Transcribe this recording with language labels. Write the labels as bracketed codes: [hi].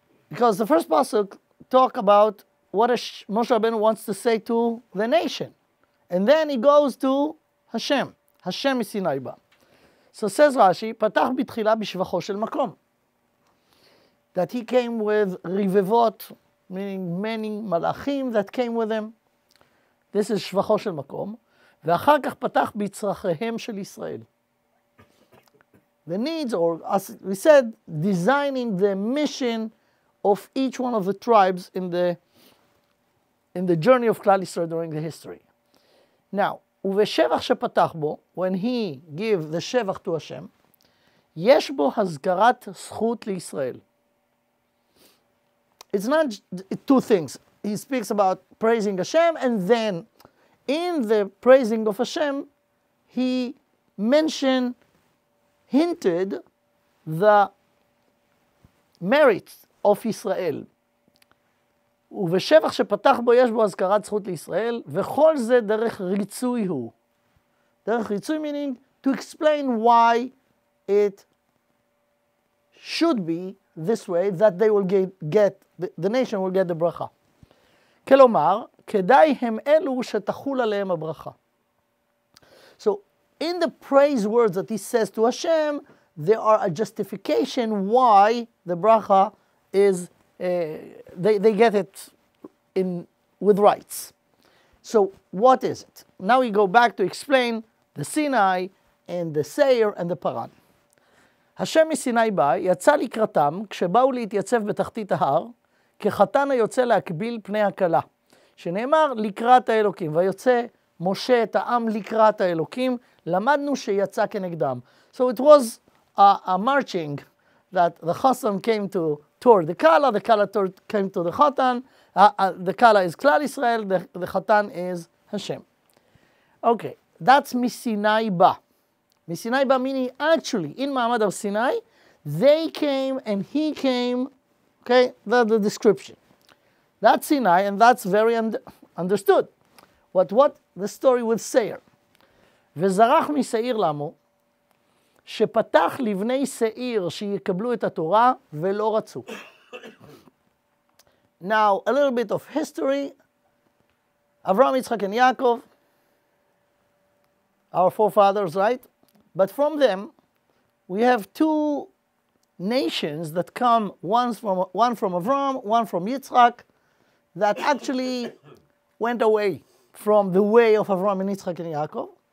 [en] Because the first pasuk talk about what Moshe Rabbeinu wants to say to the nation. And then he goes to Hashem. [he] Hashem מסיני בא. [en] So says [he] Rashi, פתח בתחילה בשבחו של מקום. [en] That he came with רבבות, meaning many מלאכים that came with him. This is [he] שבחו של מקום. ואחר כך פתח בצרכיהם של ישראל. [en] The needs, or as we said, designing the mission of each one of the tribes in the journey of Klal Yisrael during the history. [he] Now, uveshevach shepatach bo, [en] when he give the shevach to Hashem, [he] yesh bo hazgarat zchut liYisrael. [en] It's not two things. He speaks about praising Hashem, and then in the praising of Hashem, he mentioned, hinted the merits of Israel. [he] ובשבח שפתח בו יש בו הזכרת זכות לישראל, וכל זה דרך ריצוי הוא. דרך ריצוי [en] meaning to explain why it should be this way, that they will get the nation will get the ברכה. [he] כלומר, כדאי הם אלו שתחול עליהם הברכה. [en] So, in the praise words that he says to Hashem, there are a justification why the bracha is, they get it in with rights. So what is it? Now we go back to explain the Sinai and the Seir and the Paran. [he] Hashem מסיני בא, יצא לקראתם, כשבאו להתייצב בתחתית ההר, כחתן היוצא להקביל פני הקלה, שנאמר לקראת האלוקים, ויוצא משה את העם לקראת האלוקים, למדנו שיצא כנגדם. [en] So it was a marching that the Chassam came to tour the Kala came to the Chatan, the Kala is Klal Israel, the Chatan is Hashem. Okay, that's [he] Misinai Ba. [en] Misinai Ba meaning actually in Ma'amad of Sinai, they came and he came, okay, the description. That's Sinai and that's very understood. What the story with Seir. [he] וזרח מסעיר למו, שפתח לבני סעיר שיקבלו את התורה ולא רצו. [en] Now, a little bit of history. Avram, Yitzchak and Yaakov, our forefathers, right? But from them, we have two nations that come, one from Avram, one from Yitzchak, that actually went away from the way of Avram and Yitzchak and Yaakov.